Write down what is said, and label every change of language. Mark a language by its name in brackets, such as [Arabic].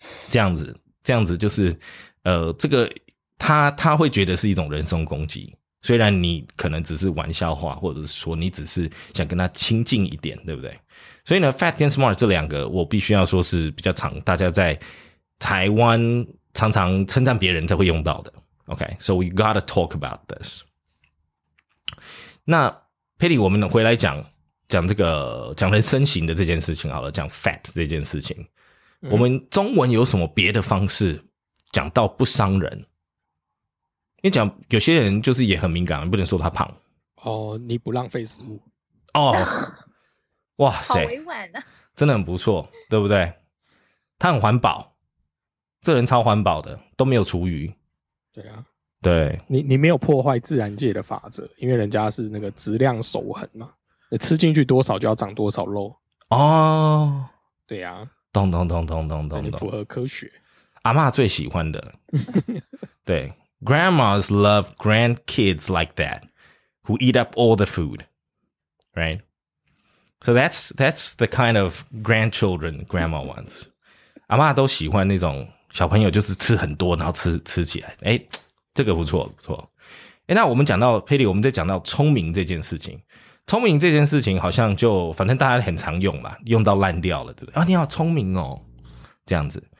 [Chinese] 这样子就是这个他会觉得是一种人身攻击。虽然你可能只是玩笑话，或者是说你只是想跟他亲近一点，对不对？所以呢 fat 跟 smart 这两个我必须要说是比较常大家在台湾常常称赞别人才会用到的。 [English] OK, so we gotta talk about this. [Chinese] 那 Patty 我们回来讲这个讲人身形的这件事情好了，讲 fat 这件事情，我们中文有什么别的方式讲到不伤人？因为讲有些人就是也很敏感，不能说他胖哦，你不浪费食物哦，哇塞，好委婉啊，真的很不错，对不对？他很环保，这人超环保的，都没有厨余。对啊，对，你没有破坏自然界的法则，因为人家是那个质量守恒嘛，你吃进去多少就要长多少肉哦。对啊，咚咚咚咚咚咚，符合科学。阿嬷最喜欢的，对。 [English] Grandmas love grandkids like that, who eat up all the food, right? So that's the kind of grandchildren grandma wants. [Chinese] 阿嬷都喜欢那种小朋友，就是吃很多，然后吃起来。哎，这个不错不错。哎，那我们讲到 Patty, 我们在讲到聪明这件事情。聪明这件事情好像就反正大家很常用嘛，用到烂掉了，对不对？啊，你好聪明哦，这样子。